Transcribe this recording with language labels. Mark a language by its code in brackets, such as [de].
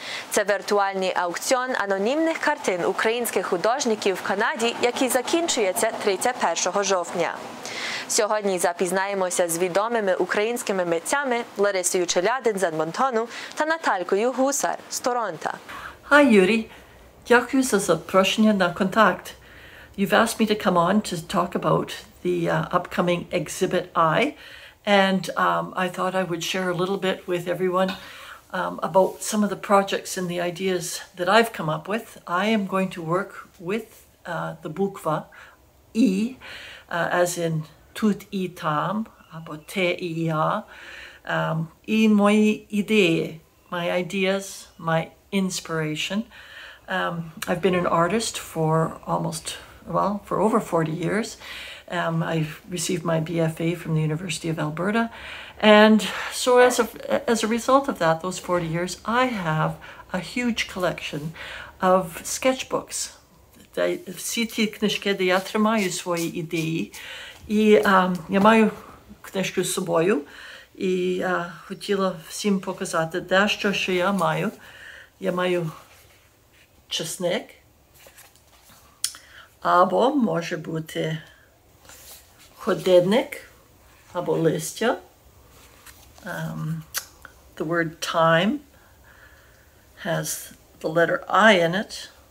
[uk] Це віртуальний аукціон анонімних картин українських художників в Канаді, який закінчується 31 жовтня. Сьогодні запізнаємося з відомими українськими митцями Ларисою Челядин з Едмонтону та Наталькою Гусар з Торонто. [en] Hi, Yuri. [uk] Дякую за запрошення на контакт. [en] You've asked me to come on to talk about the upcoming Exhibit I, and I thought I would share a little bit with everyone about some of the projects and the ideas that I've come up with. I am going to work with the Bukva, E, as in [uk] Tut I Tam, або Te I Ya, I Moi Idee, [en] my ideas, my inspiration. I've been an artist for almost, well, for over 40 years. I've received my BFA from the University of Alberta. And so as a result of that, those 40 years, I have a huge collection of sketchbooks. [uk] Всі ті книжки, де я тримаю свої ідеї, і я маю книжку з собою, і хотіла всім показати дещо, що я маю. Я маю чесник, або може бути ходинник, або листя. [en] The word time has the letter I in it.